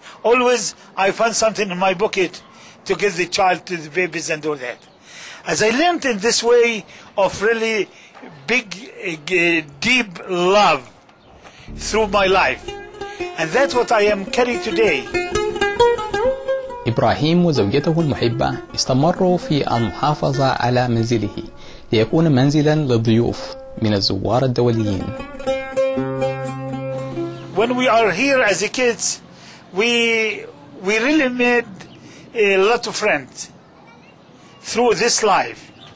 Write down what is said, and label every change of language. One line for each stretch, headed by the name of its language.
English: Always I find something in my pocket to give the child, to the babies and all that. As I learned in this way of really big, deep love through my life. And that's what I am carrying today.
Arabic: إبراهيم وزوجته المحبة استمروا في المحافظة على منزله ليكون منزلا للضيوف من الزوار الدوليين.
English: When we are here as a kids, we really made a lot of friends through this life.